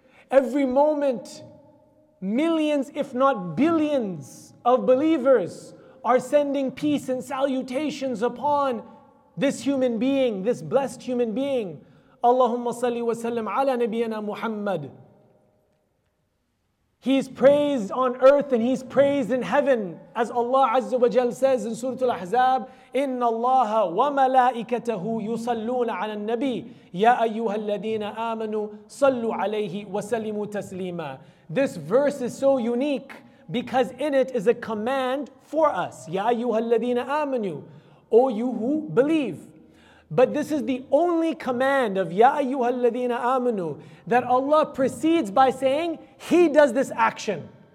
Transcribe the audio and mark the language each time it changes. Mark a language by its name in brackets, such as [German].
[English] Every moment, millions if not billions of believers are sending peace and salutations upon this human being, this blessed human being. [Arabic] Allahumma salli wa sallam ala nabiyyana Muhammad. [English] He's praised on earth and he's praised in heaven. As Allah Azza wa Jal says in Surah Al-Ahzab, [Arabic] إِنَّ اللَّهَ وَمَلَائِكَتَهُ يُصَلُّونَ عَلَى النَّبِيِّ يَا أَيُّهَا الَّذِينَ آمَنُوا صَلُّوا عَلَيْهِ وَسَلِّمُوا تَسْلِيمًا. [English] This verse is so unique because in it is a command for us. [Arabic] يَا أَيُّهَا الَّذِينَ آمَنُوا. [English] O you who believe. But this is the only command of [Arabic] Ya Ayyuhal Ladina Amanu [English] that Allah proceeds by saying, He does this action.